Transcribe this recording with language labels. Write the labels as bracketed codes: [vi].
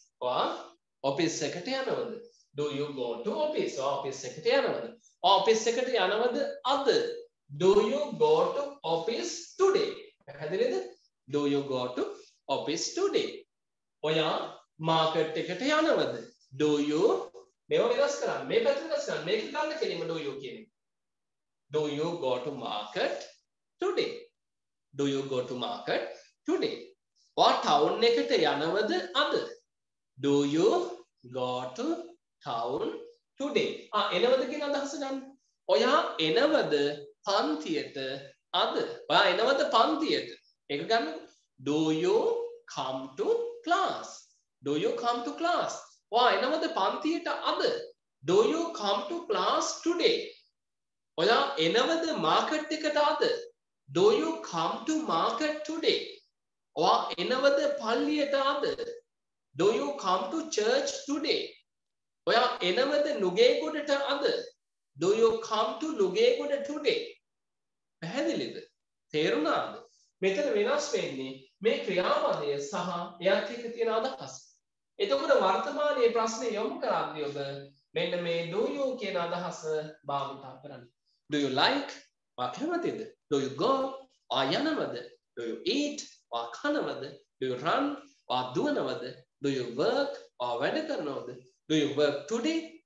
[si] ඔයා office එකට යනවද? [en] Do you go to office? [si] ඔයා office එකට යනවද? Office එකට යනවද අද? [en] Do you go to office today? [si] පැහැදිලිද? [en] Do you go to office today? [si] ඔයා market එකට යනවද? Do you මේව වෙනස් කරා මේ පැත්ත වෙනස් කරා මේක ගන්න කෙනෙම do you කියන්නේ. [en] Do you go to market today? Do you go to market today? [si] ඔයා town එකට යනවද අද? [en] Do you go to town today? [si] ආ එනවද කියන අදහස ගන්න. ඔයා එනවද පන්තියට අද? ඔයා එනවද පන්තියට? ඒක ගන්න. [en] Do you come to class? Do you come to class? [si] ඔයා එනවද පන්තියට අද? [en] Do you come to class today? [si] ඔයා එනවද මාකට් එකට අද? [en] Do you come to market today? [si] ඔයා එනවද පල්ලියට අද? [en] Do you come to church today? [si] ඔයා එනවද නුගේගොඩට අද? [en] Do you come to Nugegoda today? [si] පැහැදිලිද? තේරුණාද? මෙතන වෙනස් වෙන්නේ මේ ක්‍රියාපදය සහ එයත් එක්ක තියෙන අදහස. එතකොට වර්තමානයේ ප්‍රශ්නේ යොමු කරද්දී ඔබ මෙන්න මේ do you කියන අදහස භාවිත කරන්න. [en] Do you like? [si] වා කැමතිද? [en] Do you go? [si] වා යනවද? [en] Do you eat? [si] වා කනවද? [en] Do you run? [si] වා දුවනවද? [en] Do you work? [si] වා වැඩ කරනවද? [en] Do you work today?